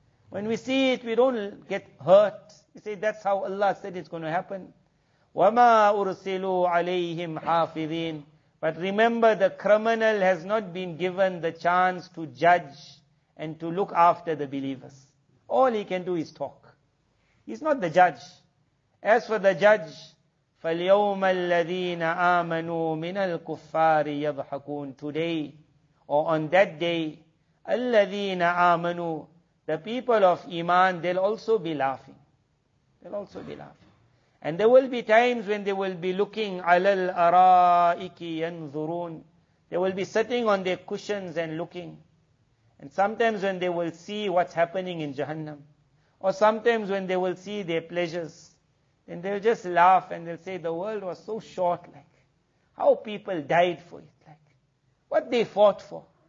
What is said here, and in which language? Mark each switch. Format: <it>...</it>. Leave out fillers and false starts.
<en>When we see it, we don't get hurt. We say, that's how Allah said it's going to happen.</en> <ar>وَمَا أُرْسِلُوا عَلَيْهِمْ حَافِظِينَ.</ar> <en>But remember, the criminal has not been given the chance to judge and to look after the believers. All he can do is talk. He's not the judge. As for the judge,</en> <ar>فَالْيَوْمَ الَّذِينَ آمَنُوا مِنَ الْكُفَّارِ يَضْحَكُونَ.</ar> <en>Today, or on that day,</en> <ar>الَّذِينَ آمَنُوا,</ar> <en>the people of Iman, they'll also be laughing. They'll also be laughing. And there will be times when they will be looking,</en> <ar>عَلَى الْأَرَائِكِ يَنْظُرُونَ.</ar> <en>They will be sitting on their cushions and looking. And sometimes when they will see what's happening in Jahannam, or sometimes when they will see their pleasures, then they'll just laugh and they'll say, the world was so short, like, how people died for it, like, what they fought for.</en>